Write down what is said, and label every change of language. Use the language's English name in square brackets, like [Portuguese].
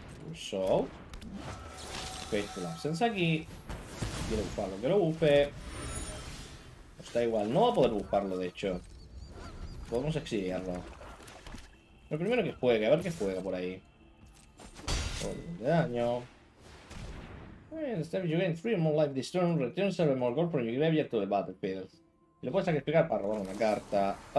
[Spanish] Uso. Faithful Absence aquí. Quiero bufarlo, que lo bufe. Está igual. No va a poder bufarlo, de hecho. Podemos exiliarlo. Lo primero que juegue, a ver qué juega por ahí. De daño. [English] Instead, you gain 3 more life this turn, return 7 more gold from your graveyard to the battlefield. [Spanish] Le puedes sacrificar para robar una carta.